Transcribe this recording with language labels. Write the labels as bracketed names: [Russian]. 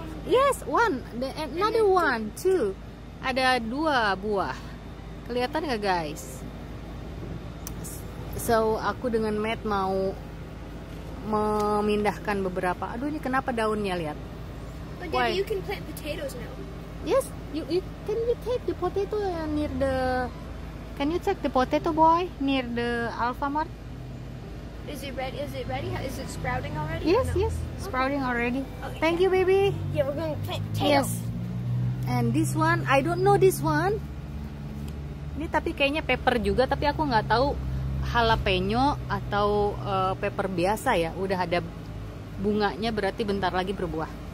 [English] Yes, one. Another one, two. [Indonesian] Ada dua buah. Kelihatan nggak, [English] guys? [Indonesian] So, aku dengan Matt mau memindahkan beberapa. Aduh, ini kenapa daunnya, lihat. [English] But Daddy, you can plant potatoes now. Yes, you can you take the potato near the... Can you check the potato boy near the Alfamart? Is it ready? Is it sprouting already? Yes, no? Yes, sprouting okay. Already. Okay. Thank you, baby. Yeah, we're going to plant potatoes. Yes. And this one, I don't know this one. [Indonesian] Ini tapi kayaknya pepper juga, tapi aku nggak tahu jalapeno atau pepper biasa ya. Udah ada bunganya, berarti bentar lagi berbuah.